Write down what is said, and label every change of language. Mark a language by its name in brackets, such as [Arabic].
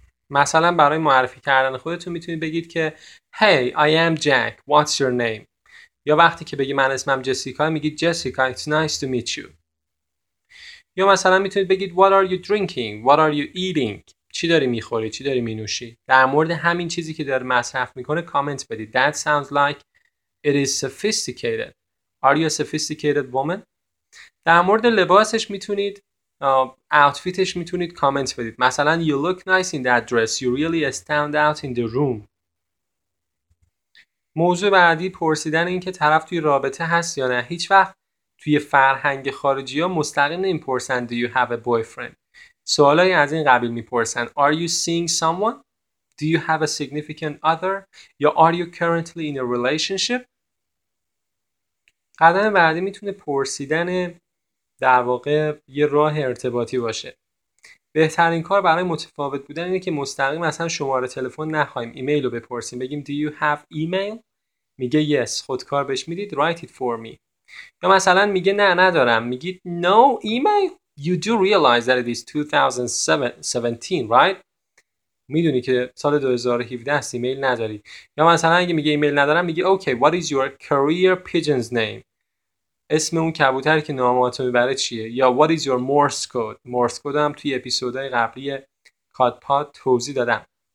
[Persian] مثلا برای معرفی کردن خودتون میتونید بگید که [English] Hey, I am Jack. What's your name? [Persian] یا وقتی که بگی من اسمم جسیکا، میگید [English] Jessica, it's nice to meet you. [Persian] یا مثلا میتونید بگید [English] What are you drinking? What are you eating? [Persian] چی داری میخوری؟ چی داری مینوشی؟ در مورد همین چیزی که داری مصرف میکنه کامنت بدید. [English] That sounds like it is sophisticated. Are you a sophisticated woman? [Persian] در مورد لباسش میتونید outfitش میتونید کامنت بدید. [English] مثلا You look nice in that dress. You really stand out in the room. [Persian] موضوع بعدی پرسیدن این که طرف توی رابطه هست یا نه. هیچ وقت توی فرهنگ خارجی ها مستقیم نمیپرسن [English] Do you have a boyfriend؟ [Persian] سوالای از این قبیل میپرسن [English] Are you seeing someone? Do you have a significant other? یا Are you currently in a relationship? [Persian] قدم بعدی میتونه پرسیدن در واقع یه راه ارتباطی باشه. بهترین کار برای متفاوت بودن اینه که مستقیم مثلا شماره تلفن نخواهیم، ایمیل رو بپرسیم، بگیم [English] Do you have email? [Persian] میگه [English] Yes، [Persian] خودکار بهش میدید [English] Write it for me. [Persian] یا مثلا میگه نه ندارم، میگید [English] No email. You do realize that it is 2017, right? [Persian] میدونی که سال 2017 است، ایمیل نداری. یا مثلا اگه میگه ایمیل ندارم، میگه [English] Okay, what is your career pigeon's name? [Persian] اسم اون کبوتری که نامهاتو میبره چیه؟ یا [English] What is your Morse code? [Persian] Morse code هم توی اپیزودهای قبلی کادپاد توضیح دادم.